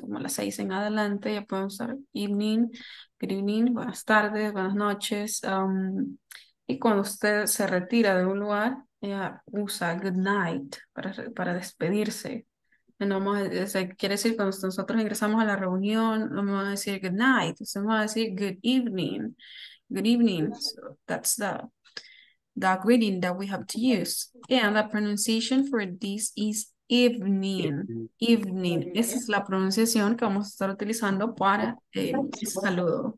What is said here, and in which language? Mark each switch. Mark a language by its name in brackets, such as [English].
[Spanish] Como las 6 en adelante, ya podemos usar evening, good evening, buenas tardes, buenas noches. Y cuando usted se retira de un lugar, ella usa good night para despedirse. No vamos a, o sea, quiere decir, cuando nosotros ingresamos a la reunión, no vamos a decir good night, sino vamos a decir good evening. [English] Good evening, so that's the greeting that we have to use. And the pronunciation for this is evening. Evening. [Spanish] Esa es la pronunciación que vamos a estar utilizando para el saludo.